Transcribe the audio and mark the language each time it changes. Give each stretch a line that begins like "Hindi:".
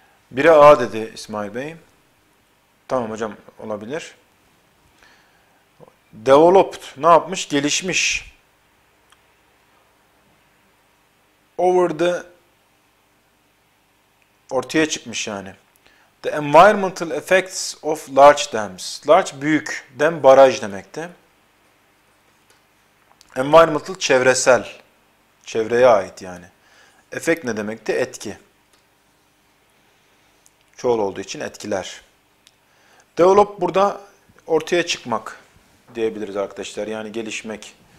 Turkish: Biri A dedi İsmail Bey. Tamam hocam olabilir. Developed ne yapmış? Gelişmiş.
English: Over the
Turkish: ortaya çıkmış yani.
English: The environmental effects of large dams.
Turkish: Large büyük, dam baraj demekti. Environmental çevresel. Çevreye ait yani. Efekt ne demekti? Etki. Çoğul olduğu için etkiler. Develop burada ortaya çıkmak diyebiliriz arkadaşlar. Yani gelişmek.